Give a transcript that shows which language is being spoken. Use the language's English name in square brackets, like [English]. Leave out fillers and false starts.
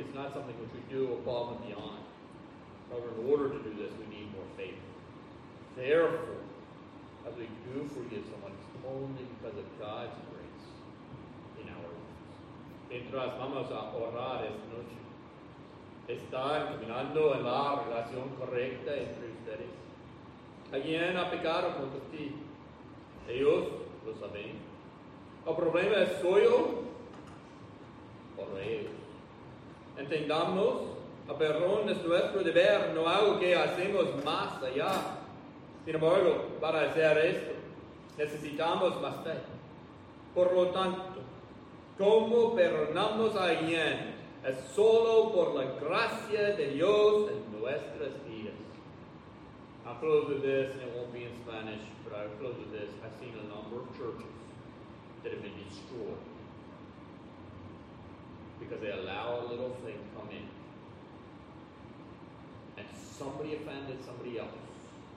[English] It's not something which we do above and beyond. However, in order to do this, we need more faith. Therefore, as we do forgive someone, it's only because of God's grace in our lives. [Spanish] Mientras vamos a orar esta noche, estar caminando en la relación correcta entre ustedes. Alguien ha pecado contra ti. Ellos lo saben. El problema es suyo. Entendamos, el perdón es nuestro deber, no algo que hacemos más allá. Sin embargo, para hacer esto, necesitamos más fe. Por lo tanto, ¿cómo perdonamos a alguien? Es solo por la gracia de Dios en nuestras vidas. [English] I'll close with this, and it won't be in Spanish, but I'll close with this. I've seen a number of churches that have been destroyed because they allow a little thing to come in. And somebody offended somebody else.